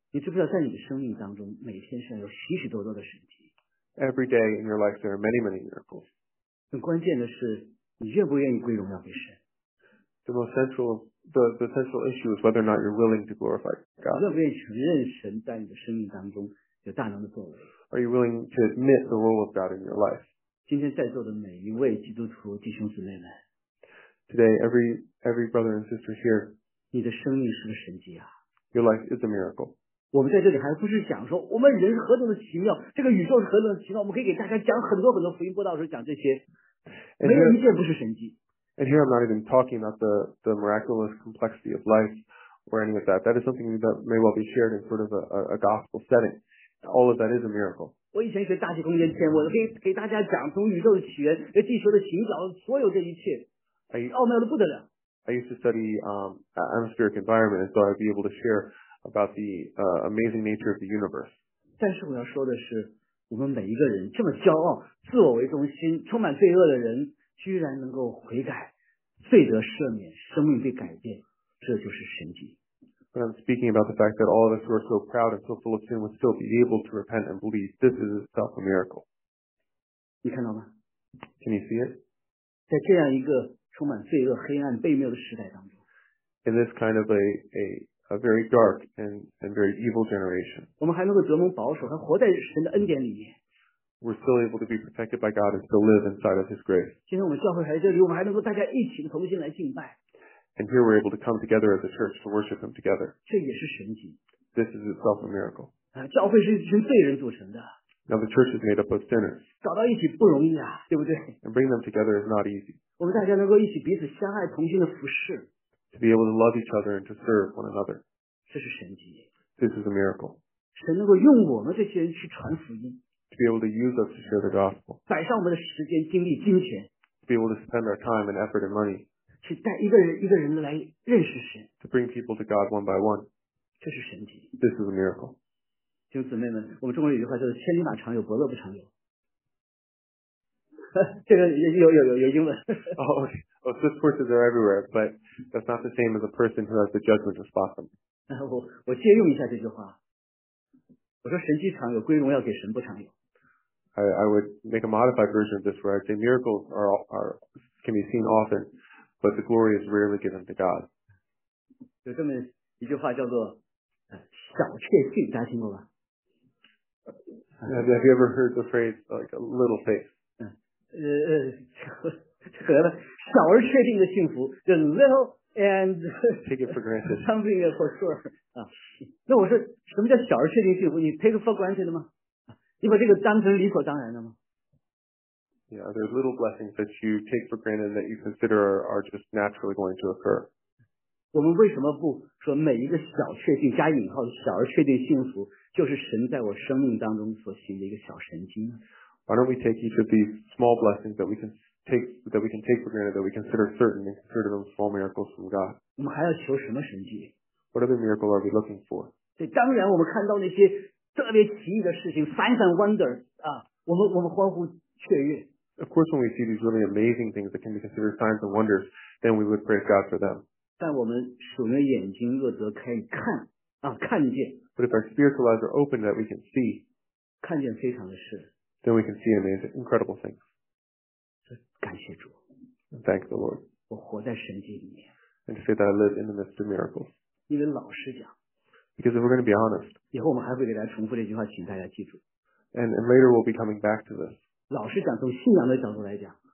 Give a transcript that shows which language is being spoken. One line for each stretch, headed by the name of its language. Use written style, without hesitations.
Chinese: 你知不知道在你的生命当中，每天是有许许多多的神迹。
English: Every day in your life, there are many, many miracles.
Chinese: 很关键的是，你愿不愿意归荣耀给神。
English: The most central, the central issue is whether or not you're willing to glorify God.
Chinese: 愿不愿意承认神在你的生命当中有大能的作为？
English: Are you willing to admit the role of God in your life?
Chinese: 今天在座的每一位基督徒弟兄姊妹们。
English: Today, every brother and sister here.
Chinese: 你的生命是个神迹啊。
English: Your life is a miracle.
Chinese: 我们在这里还不是讲说我们人是何等的奇妙，这个宇宙是何等的奇妙，我们可以给大家讲很多很多福音播道的时候讲这些。
English: And、
Chinese: 没有一件不是神迹。
English: And here I'm not even talking about the miraculous complexity of life or any of that. That is something that may well be shared in sort of a gospel setting. All of that is a miracle.
Chinese: 我以前学大气空间天文，我可以给大家讲从宇宙的起源、地球的形状，所有这一切，奥妙的不得了。
English: I used to study atmospheric environment, and so I'd be able to share about the amazing nature of the universe.
Chinese: 但是我要说的是，我们每一个人这么骄傲、自我为中心、充满罪恶的人。居然能够悔改，罪得赦免，生命被改变，这就是神迹。
English: But I'm speaking about the fact that all of us who are so proud and so full of sin would still be able to repent and believe. This is itself a miracle.
Chinese: 你看到吗？
English: Can you see it?
Chinese: 在这样一个充满罪恶、黑暗、悖谬的时代当中。
English: In this kind of a very dark and very evil generation.
Chinese: 我们还能够得蒙保守，还活在神的恩典里面。
English: We're still able to be protected by God and still live inside of His grace.
Chinese: 今天我们教会还在这里，我们还能够大家一起同心来敬拜。
English: And here we're able to come together as a church to worship Him together.
Chinese: 这也是神迹。
English: This is itself a miracle.
Chinese: 教会是一群罪人组成的。
English: Now the church is made up of sinners.
Chinese: 找到一起不容易啊，对不对？
English: And bring them together is not easy.
Chinese: 我们大家能够一起彼此相爱，同心的服侍。
English: To be able to love each other and to serve one another.
Chinese: 这是神迹。
English: This is a miracle.
Chinese: 神能够用我们这些人去传福音。
English: To be able to use us to share the gospel.
Chinese: 摆上我们的时间、精力、金钱。
English: To be able to spend our time and effort and money.
Chinese: 去带一个人一个人来认识神。
English: To bring people to God one by one.
Chinese: 这是神迹。
English: This is a miracle.
Chinese: 弟兄姊妹们，我们中国有句话叫做"千里马常有，伯乐不常有"。这个有英文。
English: Oh, Swiss horses are everywhere, but that's not the same as a person who has the judgment to spot them.
Chinese: 我借用一下这句话。我说神迹常有，归荣耀给神不常有。
English: I would make a modified version of this where I'd say miracles are can be seen often, but the glory is rarely given to God.
Chinese: 有这么一句话叫做小确幸，大家听过吧？
English: Have you ever heard the phrase like a little faith?
Chinese: 小而确定的幸福 ，
English: the little and take it for granted something for sure.
Chinese: 那我说什么叫小而确定幸福？
English: 你 take it for granted 吗？
Chinese: 你把这个当成理所当然的吗？
English: Yeah, there's little blessings that you take for granted that you consider are just naturally going to occur.
Chinese: 我们为什么不说每一个小确定加引号的小而确定幸福就是神在我生命当中所行的一个小神迹呢？
English: Why don't we take each of these small blessings that we can take for granted that we consider certain and consider them small miracles from God?
Chinese: 我们还要求什么神迹？
English: What other miracle are we looking for?
Chinese: 对，当然我们看到那些特别奇异的事情 ，
English: signs and wonders
Chinese: 啊，我们欢呼雀跃。
English: Of course, when we see these really amazing things that can be considered signs and wonders, then we would praise God for them.
Chinese: 但我们属灵的眼睛若则可以看啊，看见。
English: But if our spiritual eyes are open that we can see,
Chinese: 看见非常的事。
English: Then we can see amazing, incredible things.
Chinese: 感谢主。
English: Thank the Lord.
Chinese: 我活在神迹里面。
English: And to say that I live in the midst of miracles.
Chinese: 因为老实讲。
English: Because if we're going to be honest,
Chinese: 以后我们还会给大家重复这句话，请大家记住。
English: And later we'll be coming back to this.
Chinese: 老实讲，从信仰的角度来讲